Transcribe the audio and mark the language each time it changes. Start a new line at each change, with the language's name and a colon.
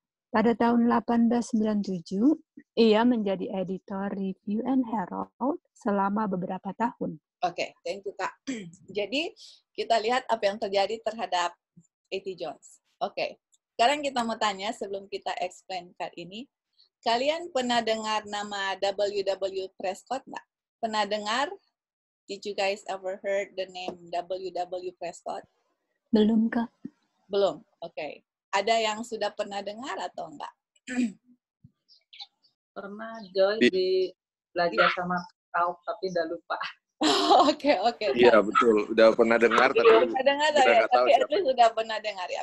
Indonesian: Pada tahun 1897, ia menjadi editor Review and Herald selama beberapa tahun.
English: Oke, okay, thank you, Kak.
Indonesian: Jadi, kita lihat apa yang terjadi terhadap E.T. Jones. Oke, okay. Sekarang kita mau tanya sebelum kita explain card ini. Kalian pernah dengar nama W.W. Prescott enggak? Pernah dengar?
English: Did you guys ever heard the name W.W. Prescott?
Indonesian: Belum, Kak. Belum? Oke. Okay. Ada yang sudah pernah dengar atau enggak? Pernah, Joy, di belajar sama tau, tapi udah lupa. Oke. Iya, betul. Udah pernah dengar, tapi udah pernah dengar, ya. Tapi itu sudah pernah dengar, ya.